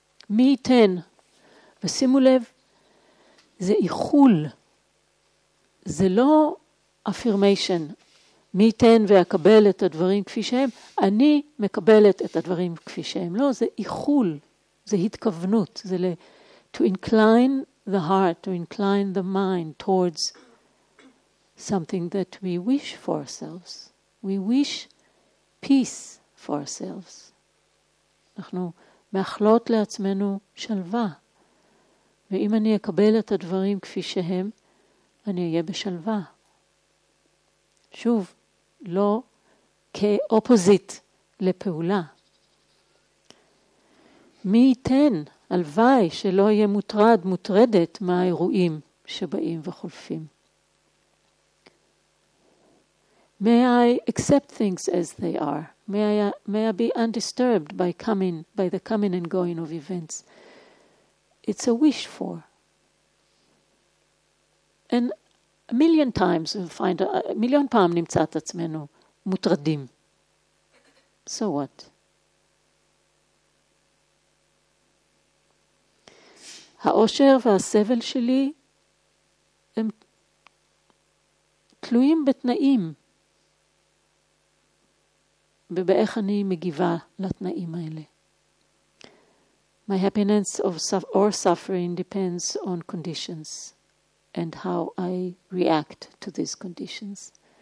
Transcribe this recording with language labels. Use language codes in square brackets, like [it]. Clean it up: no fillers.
[he] מי ייתן? ושימו לב, זה איחול. זה לא affirmation. מי ייתן ויקבל את הדברים כפי שהם? אני מקבלת את הדברים כפי שהם. לא, זה איחול. זה התכוונות. [en] זה to incline the heart, to incline the mind towards something that we wish for ourselves. We wish peace for ourselves. [he] אנחנו מאחלות לעצמנו שלווה. ואם אני אקבל את הדברים כפי שהם, אני אהיה בשלווה. שוב, לא כאופוזיט לפעולה. מי ייתן? הלוואי שלא יהיה מוטרד, מוטרדת מהאירועים שבאים וחולפים. [en] May I accept things as they are. May I be undisturbed by the coming and going of events. It's a wish for. And a million times we find a million [he] פעם נמצא את עצמנו מוטרדים. [en] So what? [he] האושר והסבל שלי הם תלויים בתנאים ובאיך אני מגיבה לתנאים האלה. [en] My happiness or suffering depends on conditions and how I react to these conditions.